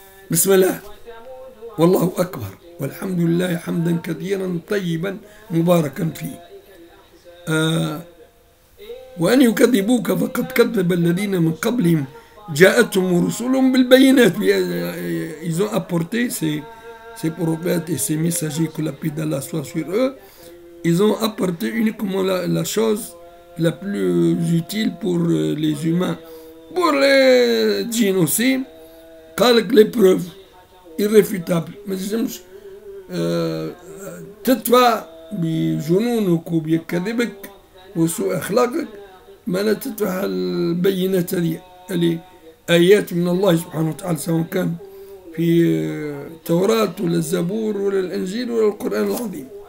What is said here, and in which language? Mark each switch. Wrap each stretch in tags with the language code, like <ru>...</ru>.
<ar>بسم الله والله أكبر والحمد لله حمدا كثيرا طيبا مباركا فيه. وأن يكذبوك فقد كذب الذين من قبلهم جاءتهم رسلهم بالبينات.</ar> <fr>ils ont apporté ces prophètes et ces messagers que la paix d'Allah soit sur eux, ils ont apporté uniquement la chose la plus utile pour les humains, pour les djinns aussi, avec les preuves irréfutables.</fr> <ar>Mais تدفع بجنونك وبكذبك وسوء أخلاقك ما لا تدفع البينات هذه اللي آيات من الله سبحانه وتعالى سواء كان في التوراة ولا الزبور ولا الإنجيل ولا القرآن العظيم.</ar>